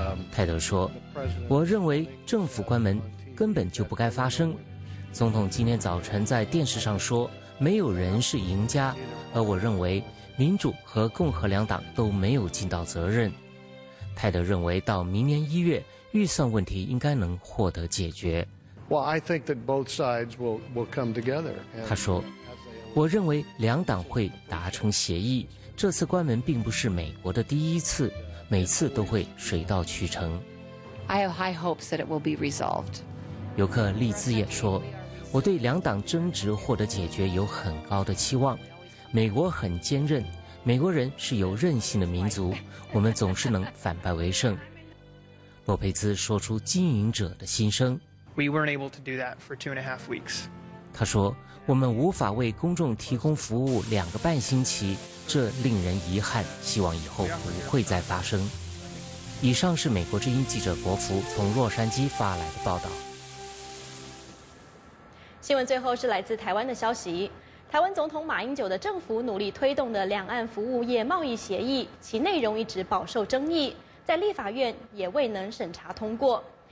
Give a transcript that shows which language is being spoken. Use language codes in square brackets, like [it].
[zh] 泰德说，我认为政府关门根本就不该发生。总统今天早晨在电视上说，没有人是赢家，而我认为民主和共和两党都没有尽到责任。泰德认为到明年1月，预算问题应该能获得解决。 [en] Well, I think that both sides will come together. [zh] 他说，我认为两党会达成协议。这次关门并不是美国的第一次，每次都会水到渠成。 [en] I have high hopes that it will be resolved. [zh] 游客利兹也说，我对两党争执获得解决有很高的期望。美国很坚韧，美国人是有韧性的民族，我们总是能反败为胜。洛佩兹说出经营者的心声。 [en] We weren't able to do that for 2.5 weeks. [zh] 他说，我们无法为公众提供服务2个半星期，这令人遗憾，希望以后不会再发生。以上是美国之音记者国福从洛杉矶发来的报道。新闻最后是来自台湾的消息。台湾总统马英九的政府努力推动的两岸服务业贸易协议，其内容一直饱受争议，在立法院也未能审查通过。